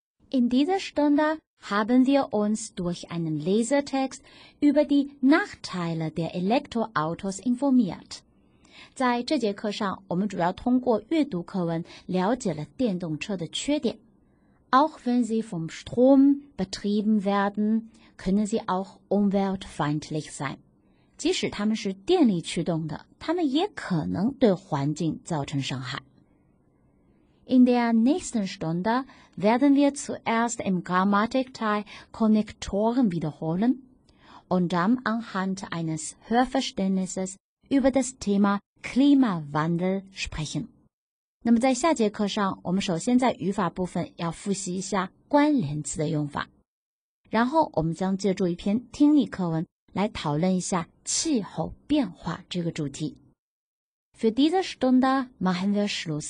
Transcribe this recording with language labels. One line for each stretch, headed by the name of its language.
German: In dieser Stunde haben wir uns durch einen Lesetext über die Nachteile der Elektroautos informiert.
Chinese: 在这节课上，我们主要通过阅读课文了解了电动车的缺点。
German: Auch wenn sie vom Strom betrieben werden, können sie auch umweltfreundlich sein.
Chinese: 即使他们是电力驱动的，他们也可能对环境造成伤害。
German: In der nächsten Stunde werden wir zuerst im Grammatikteil Konnektoren wiederholen und dann anhand eines Hörverständnisses über das Thema Klimawandel sprechen.
Chinese: 那么在下节课上，我们首先在语法部分要复习一下关联词的用法，然后我们将借助一篇听力课文来讨论一下气候变化这个主题。
German: Für diese Stunde machen wir Schluss.
Chinese: 那这节课就上到这里了。